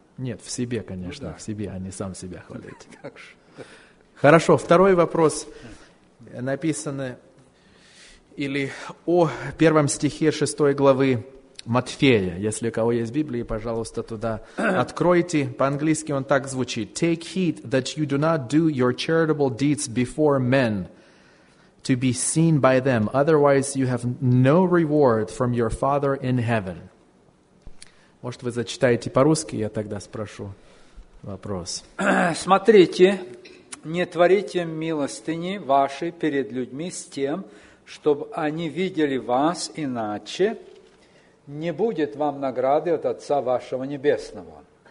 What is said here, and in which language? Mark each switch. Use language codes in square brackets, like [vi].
[ru] Нет, в себе, конечно, в себе, а не сам себя хвалит. Хорошо, второй вопрос написан или о первом стихе шестой главы Матфея. Если у кого есть Библия, пожалуйста, туда откройте. По-английски он так звучит. [en] «Take heed that you do not do your charitable deeds before men, to be seen by them. Otherwise, you have no reward from your Father in heaven». [ru] Может, вы зачитаете по-русски, я тогда спрошу вопрос. «Смотрите, не творите милостыни вашей перед людьми с тем, чтобы они видели вас иначе, не будет вам награды от Отца вашего Небесного».